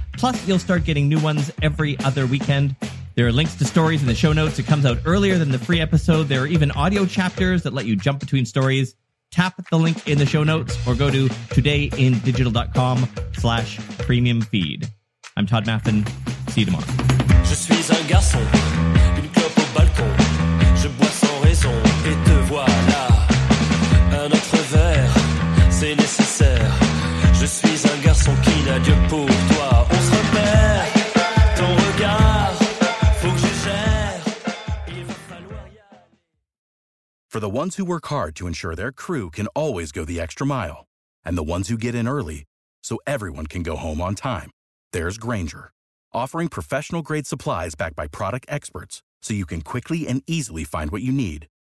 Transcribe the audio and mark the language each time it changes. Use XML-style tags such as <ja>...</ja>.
<en>Plus, you'll start getting new ones every other weekend. There are links to stories in the show notes. It comes out earlier than the free episode. There are even audio chapters that let you jump between stories. Tap the link in the show notes or go to todayindigital.com/premium feed. I'm Todd Maffin. See you tomorrow.</en> <fr>Je suis un garçon, une clope au balcon. Je bois sans raison et te voilà. Un autre verre, c'est nécessaire. Je suis un garçon qui n'a Dieu pour toi. On se repère, ton regard, faut que je gère. Il va falloir y aller.</fr> <en>For the ones who work hard to ensure their crew can always go the extra mile, and the ones who get in early so everyone can go home on time, there's Grainger, offering professional-grade supplies backed by product experts so you can quickly and easily find what you need.</en>